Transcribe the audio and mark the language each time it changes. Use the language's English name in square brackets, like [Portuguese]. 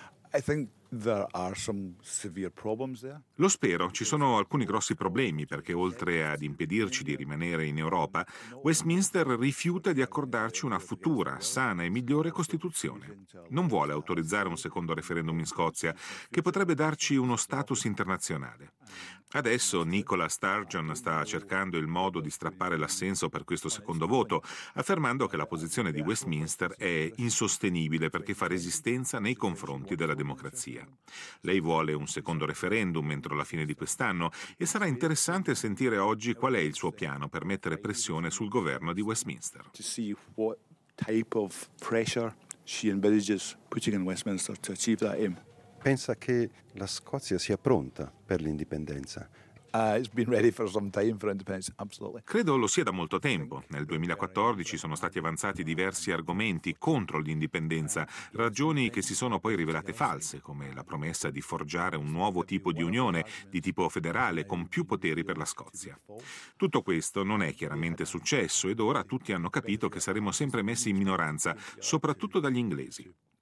[English] I think there are some severe problems there. [Italian] Lo spero. Ci sono alcuni grossi problemi, perché oltre ad impedirci di rimanere in Europa, Westminster rifiuta di accordarci una futura, sana e migliore Costituzione. Non vuole autorizzare un secondo referendum in Scozia, che potrebbe darci uno status internazionale. Adesso Nicola Sturgeon sta cercando il modo di strappare l'assenso per questo secondo voto, affermando che la posizione di Westminster è insostenibile perché fa resistenza nei confronti della democrazia. Lei vuole un secondo referendum entro la fine di quest'anno e sarà interessante sentire oggi qual è il suo piano per mettere pressione sul governo di Westminster. [English] To see what type of pressure she envisages putting in Westminster to achieve that aim. [Italian] Pensa che la Scozia sia pronta per l'indipendenza? [English] It's been ready for some time for independence, absolutely. [Italian] Credo lo sia da molto tempo. Nel 2014 sono stati avanzati diversi argomenti contro l'indipendenza, ragioni che si sono poi rivelate false, come la promessa di forgiare un nuovo tipo di unione, di tipo federale, con più poteri per la Scozia. Tutto questo non è chiaramente successo ed ora tutti hanno capito che saremo sempre messi in minoranza, soprattutto dagli inglesi.